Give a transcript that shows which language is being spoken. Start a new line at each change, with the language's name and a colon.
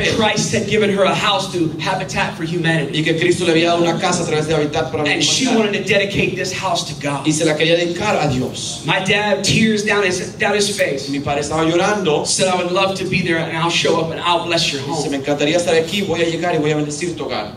English: And that Christ had given her a house to Habitat for Humanity.
Spanish: Y que Cristo le había dado una casa a través de Habitat para la Humanidad.
English: And she wanted to dedicate this house to God.
Spanish: Y se la quería dedicar a Dios.
English: My dad, tears down his face.
Spanish: Mi padre estaba llorando.
English: Said, "I would love to be there and I'll show up and I'll bless your home."
Spanish: Dice, "Me encantaría estar aquí, voy a llegar y voy a bendecir tu hogar."